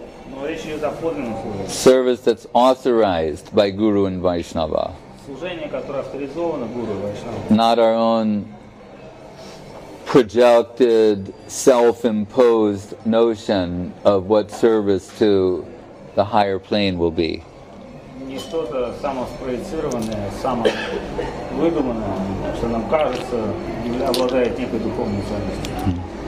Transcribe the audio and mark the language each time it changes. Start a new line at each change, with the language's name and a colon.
Russian: Но речь идет о подлинном служении.
English: Service that's authorized by Guru and Vaishnava.
Russian: Служение, которое авторизовано Гуру и Вайшнава.
English: Not our own projected, self-imposed notion of what service to the higher plane will be.
Russian: Не что-то самоспроецированное, самовыдуманное, что нам кажется, обладает некой духовной ценностью.